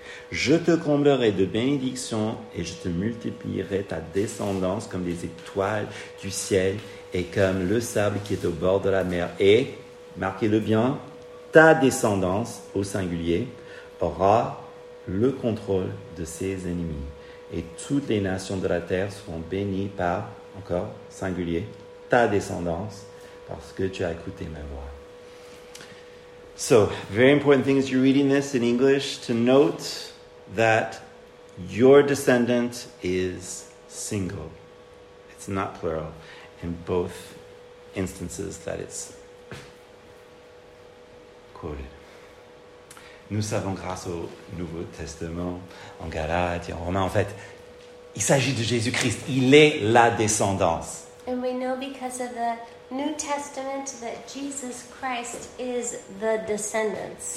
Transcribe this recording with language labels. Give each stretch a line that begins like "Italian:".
French: je te comblerai de bénédictions et je te multiplierai ta descendance comme les étoiles du ciel et comme le sable qui est au bord de la mer. » Et, marquez-le bien, ta descendance, au singulier, aura le contrôle de ses ennemis. Et toutes les nations de la terre seront bénies par, encore, singulier, ta descendance, parce que tu as écouté ma voix.
English: So, very important things you're reading this in English to note that your descendant is single. It's not plural in both instances that it's quoted.
French: Nous savons grâce au Nouveau Testament, en Galates, en Romains, en fait, il s'agit de Jésus-Christ. Il est la descendance.
English: And we know because of the New Testament that Jesus Christ is the descendants.